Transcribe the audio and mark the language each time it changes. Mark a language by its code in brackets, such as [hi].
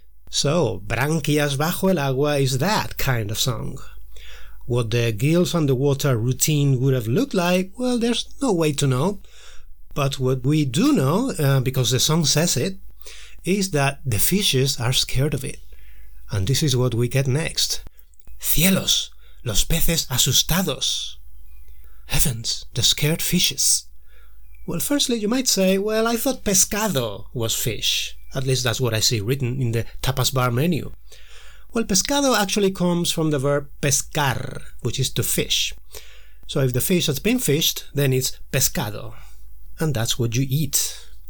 [en] So, Branquias Bajo el Agua is that kind of song. What the Gills Underwater routine would have looked like, well, there's no way to know. But what we do know, because the song says it, is that the fishes are scared of it. And this is what we get next. [es] Cielos, los peces asustados. [en] Heavens, the scared fishes. Well, firstly, you might say, well, I thought pescado was fish. At least that's what I see written in the tapas bar menu. Well, pescado actually comes from the verb pescar, which is to fish. So if the fish has been fished, then it's pescado. And that's what you eat.